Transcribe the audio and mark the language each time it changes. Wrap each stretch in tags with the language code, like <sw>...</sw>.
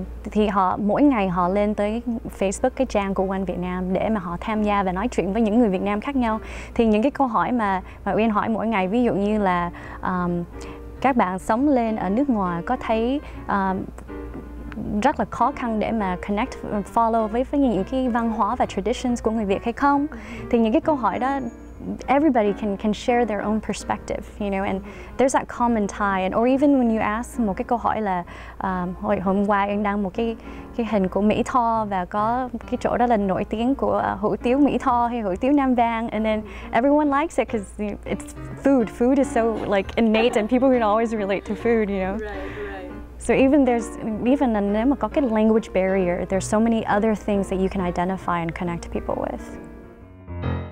<vi>Thì họ mỗi ngày họ lên tới Facebook cái trang của One Việt Nam để mà họ tham gia và nói chuyện với những người Việt Nam khác nhau. Thì những cái câu hỏi mà Uyen hỏi mỗi ngày, ví dụ như là các bạn sống lên ở nước ngoài có thấy rất là khó khăn để mà</vi> <en>connect, follow</en> <vi>với những cái văn hóa và traditions của người Việt hay không? Thì những cái câu hỏi đó,</vi> <en>everybody can share their own perspective, you know, and there's that common tie. And or even when you ask</en> <vi>một cái câu hỏi là hôm qua em đăng một cái hình của Mỹ Tho và có cái chỗ đó là nổi tiếng của hủ tiếu Mỹ Tho hay hủ tiếu Nam Vang,</vi> <en>and then everyone likes it because, you know, it's food. Food is so like innate and people can always relate to food, you know. So even</en> <vi>nếu mà</vi> <en>có cái language barrier, there's so many other things that you can identify and connect people with.</en>